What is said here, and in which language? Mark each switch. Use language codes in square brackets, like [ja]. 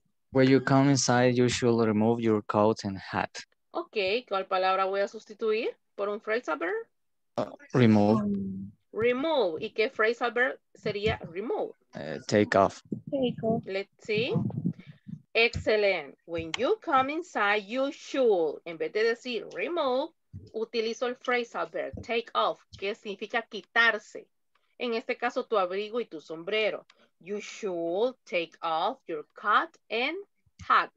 [en] When you come inside, you should remove your coat and hat. [es] Okay, ¿cuál palabra voy a sustituir por un phrase verb? [en] Remove. [es] Remove. ¿Y qué phrase verb sería remove? [en] Take off. Let's see. Excellent. When you come inside, you should, [es] en vez de decir remove, utilizo el phrase verb take off, que significa quitarse. En este caso, tu abrigo y tu sombrero. [en] You should take off your coat and hat.